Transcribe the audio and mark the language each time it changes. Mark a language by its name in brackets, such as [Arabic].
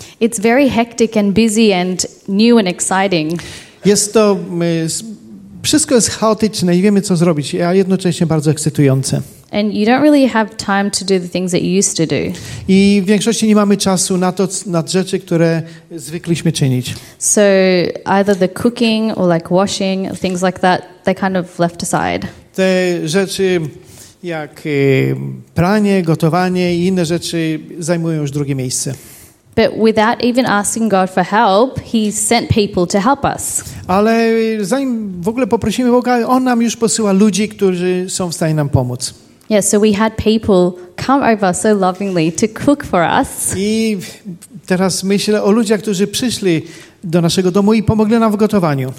[English] It's very hectic and busy and new and exciting. [Polish] Jest to wszystko jest chaotyczne, nie wiemy co zrobić, a jednocześnie bardzo ekscytujące. [English] And you don't really have time to do the things that you used to do. [Polish] I w większości nie mamy czasu na rzeczy, które zwykliśmy czynić. [English] So either the cooking or like washing, things like that, they kind of left aside. [Polish] Te rzeczy jak pranie, gotowanie i inne rzeczy zajmują już drugie miejsce. [English] But without even asking God for help, He sent people to help us. [Polish] Ale zanim w ogóle poprosimy Boga, On nam już posyła ludzi, którzy są w stanie nam pomóc. [English] Yeah, so we had people come over so lovingly to cook for us. [Polish] I teraz myślę o ludziach, którzy przyszli do naszego domu i pomogli nam w gotowaniu.